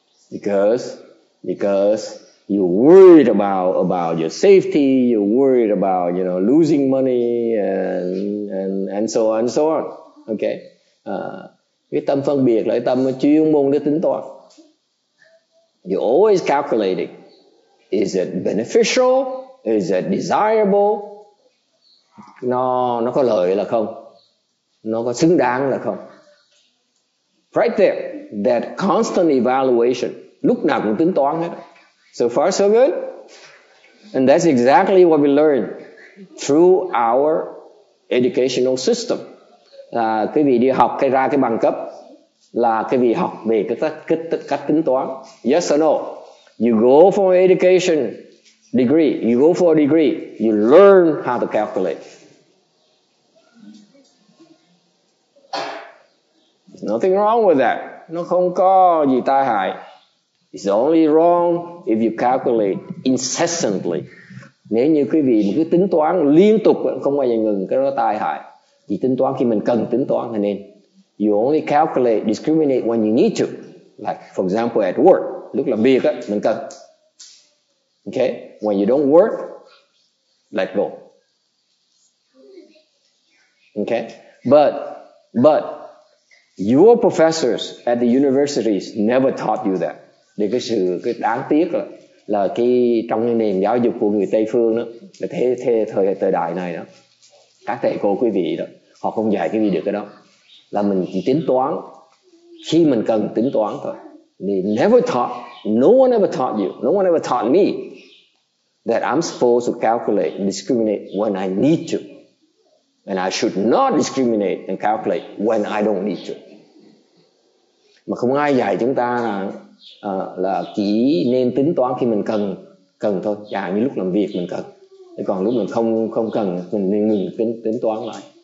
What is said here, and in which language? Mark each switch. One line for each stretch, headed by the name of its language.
English: Because you're worried about your safety, you're worried about, you know, losing money and so on and so on. Okay?
Vietnamese: cái tâm phân biệt là cái tâm chuyên môn để tính toán.
English: You're always calculating. Is it beneficial? Is it desirable?
Vietnamese: Nó có lợi là không? Nó có xứng đáng là không?
English: Right there, that constant evaluation,
Vietnamese: lúc nào cũng tính toán hết.
English: So far, so good. And that's exactly what we learn through our educational system.
Vietnamese: À, cái vị đi học cái ra cái bằng cấp là cái vị học về cái cách tính toán.
English: Yes or no? You go for education degree, you go for a degree, you learn how to calculate. Nothing wrong with that.
Vietnamese: Nó không có gì tai hại.
English: It's only wrong if you calculate incessantly.
Vietnamese: Nếu như quý vị cứ tính toán liên tục không bao giờ ngừng, cái đó tai hại. Chỉ tính toán khi mình cần tính toán thì nên.
English: You only calculate, discriminate when you need to. Like for example at work,
Vietnamese: lúc làm việc á mình cần.
English: Okay? When you don't work, let go. Okay? But your professors at the universities never taught you that.
Vietnamese: Thì cái đáng tiếc là cái trong cái nền giáo dục của người Tây phương đó, là thế thời đại này đó, các thầy cô quý vị đó, họ không dạy cái gì được cái đó. Là mình chỉ tính toán khi mình cần tính toán thôi.
English: They never taught, no one ever taught you, no one ever taught me that I'm supposed to calculate and discriminate when I need to. And I should not discriminate and calculate when I don't need to.
Vietnamese: Mà không ai dạy chúng ta là chỉ nên tính toán khi mình cần thôi. Dạ, như lúc làm việc mình cần. Còn lúc mình không cần, mình nên ngừng tính toán lại.